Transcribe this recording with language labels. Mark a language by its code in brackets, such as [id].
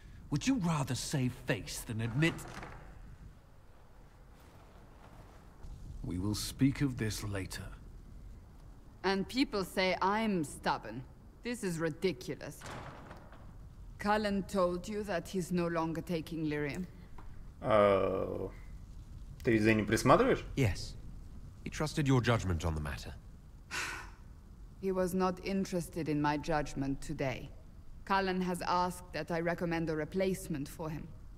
[en] Would you rather save face than admit... We will speak of this later. And people say I'm stubborn. This is ridiculous. Cullen told you that he's no longer taking Lyrium. [ru] Ты за ним присматриваешь? [en] Yes. He trusted your judgment on the matter. He was not interested in my judgment today. Cullen has asked that I recommend a replacement for him.